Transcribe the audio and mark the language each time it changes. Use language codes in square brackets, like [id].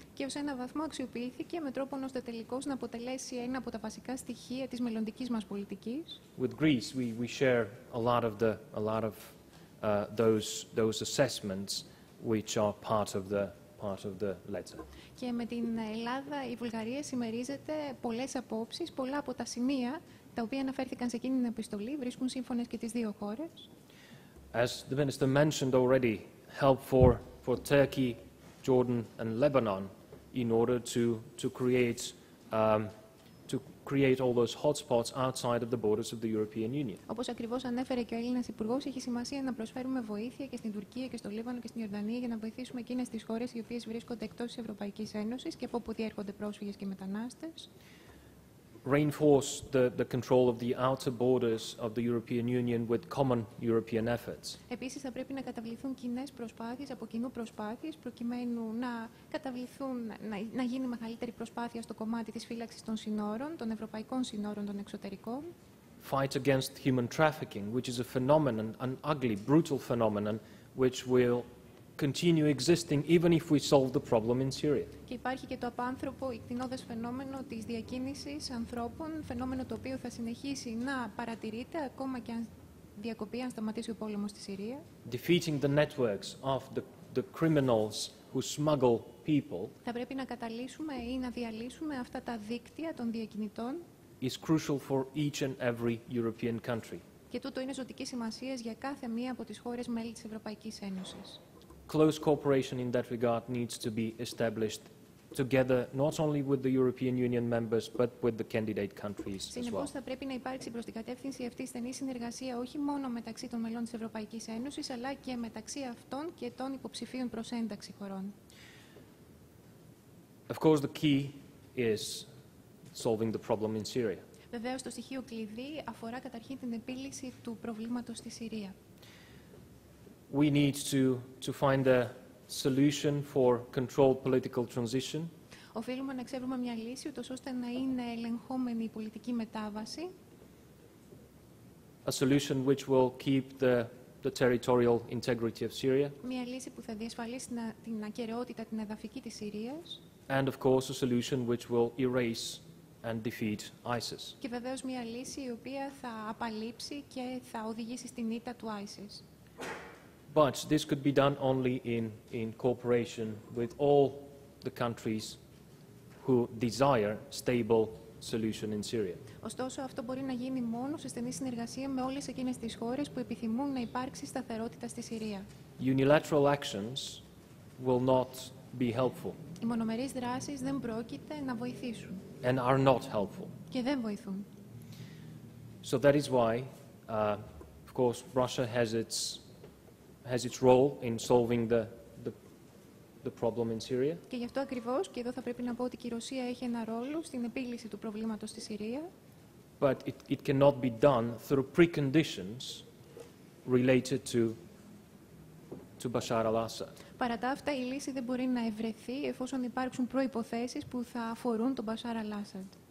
[el] Και ως ένα βαθμό αξιοποιήθηκε με τρόπο ώστε τελικώς να αποτελέσει ένα από τα βασικά στοιχεία της μελλοντικής μας πολιτικής. [en] With Greece, we share a lot of those assessments which are part of the letter. [el] Και με την Ελλάδα, η Βουλγαρία συμμερίζεται πολλές απόψεις, πολλά από τα σημεία τα οποία αναφέρθηκαν σε εκείνη την επιστολή, βρίσκουν σύμφωνες και τις δύο χώρες. [en] As the Minister mentioned already, help for Turkey, Jordan and Lebanon in order to create all those hotspots outside of the borders of the European Union. [el] Όπως ακριβώς ανέφερε και ο Έλληνας Υπουργός, έχει σημασία να προσφέρουμε βοήθεια και στην Τουρκία και στο Λίβανο και στην Ιορδανία για να βοηθήσουμε εκείνες τις χώρες οι οποίες βρίσκονται εκτός της Ευρωπαϊκής Ένωσης και από όπου διέρχονται πρόσφυγες και μετανάστες. [en] Reinforce the control of the outer borders of the European Union with common European efforts. [el] Επίσης θα πρέπει να καταβληθούν κοινές προσπάθειες από κοινού προσπάθειες προκειμένου να καταβληθούν να γίνει μεγαλύτερη προσπάθεια στο κομμάτι της φύλαξης των συνόρων, των ευρωπαϊκών συνόρων, των εξωτερικών. [en] Fight against human trafficking, which is a phenomenon, an ugly, brutal phenomenon, which will continue existing even if we solve the problem in Syria. [el] Και υπάρχει και το απάνθρωπο, εκτινόδες φαινόμενο της διακίνησης ανθρώπων, φαινόμενο το οποίο θα συνεχίσει να παρατηρείται ακόμα και αν διακοπεί, αν σταματήσει ο πόλεμος στη Συρία. [en] Defeating the networks of the criminals who smuggle people. [el] Θα πρέπει να καταλύσουμε ή να διαλύσουμε αυτά τα δίκτυα των διακινητών. [en] Is crucial for each and every European country. [el] Και τούτο είναι ζωτικής σημασίας για κάθε μία από τις χώρες μέλη της Ευρωπαϊκής Ένωσης. [en] Close cooperation in that regard needs to be established together not only with the European Union members but with the candidate countries as well. [el] Συνεπώς θα πρέπει να υπάρξει προς την κατεύθυνση αυτή στενή συνεργασία όχι μόνο μεταξύ των μελών της Ευρωπαϊκής Ένωσης αλλά και μεταξύ αυτών και των υποψηφίων προς ένταξη χωρών. [en] Of course the key is solving the problem in Syria. [el] Βεβαίως το στοιχείο κλειδί αφορά καταρχήν την επίλυση του προβλήματος στη Συρία. [en] We need to find a solution for controlled political transition. [el] Οφείλουμε να ξέρουμε μια λύση ώστε να είναι ελεγχόμενη η πολιτική μετάβαση. [en] A solution which will keep the territorial integrity of Syria. [el] Μια λύση που θα διασφαλίσει την ακεραιότητα, την εδαφική της Συρίας. [en] And of course a solution which will erase and defeat ISIS. [el] Και βεβαίως μια λύση η οποία θα απαλείψει και θα οδηγήσει στην ήττα του ISIS. [en] But this could be done only in cooperation with all the countries who desire stable solution in Syria. [el] Ωστόσο, αυτό μπορεί να γίνει μόνο σε στενή συνεργασία με όλες εκείνες τις χώρες που επιθυμούν να υπάρξει σταθερότητα στη Συρία. [en] Unilateral actions will not be helpful. [el] Οι μονομερείς δράσεις δεν πρόκειται να βοηθήσουν. [en] And are not helpful. [el] Και δεν βοηθούν. [en] So that is why, of course, Russia has its role in solving the problem in Syria. [el] Και γι' αυτό ακριβώς και εδώ θα πρέπει να πω ότι η Ρωσία έχει ένα ρόλο στην επίλυση του προβλήματος στη Συρία. [en] But it cannot be done through preconditions related to Bashar al-Assad. [el] Παρά τα αυτά, η λύση δεν μπορεί να ευρεθεί εφόσον υπάρξουν προϋποθέσεις που θα αφορούν τον Bashar al-Assad.